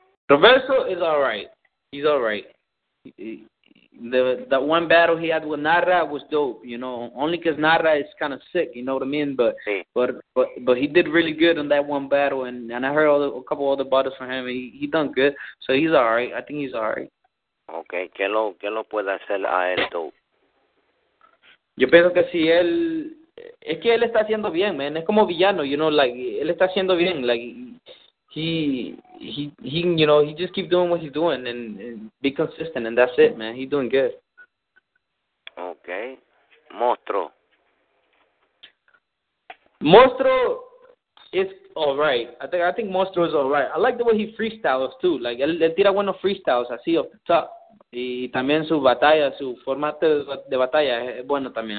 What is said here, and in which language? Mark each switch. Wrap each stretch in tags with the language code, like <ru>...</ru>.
<en>Roverso is all right. He's all right. The one battle he had with Narra was dope, you know, only because Narra is kind of sick, you know what I mean? But,</en> <es>sí.</es> <en>but he did really good on that one battle, and I heard all the, a couple other battles from him, and he done good, so he's all right. I think he's all right.</en> <es>Okay, ¿qué lo puede hacer a él dope? Yo pienso que si él, es que él está haciendo bien, man, es como villano,</es> <en>you know, like,</en> <es>él está haciendo bien,</es> <en>like, he you know, he just keep doing what he's doing and be consistent, and that's it, man. He's doing good. Okay. Monstro. Monstro is all right. I think Monstro is all right. I like the way he freestyles, too. Like,</en> <es>él tira buenos freestyles, así,</es> <en>off the top.</en> <es>Y también su batalla, su formato de batalla es bueno también.</es>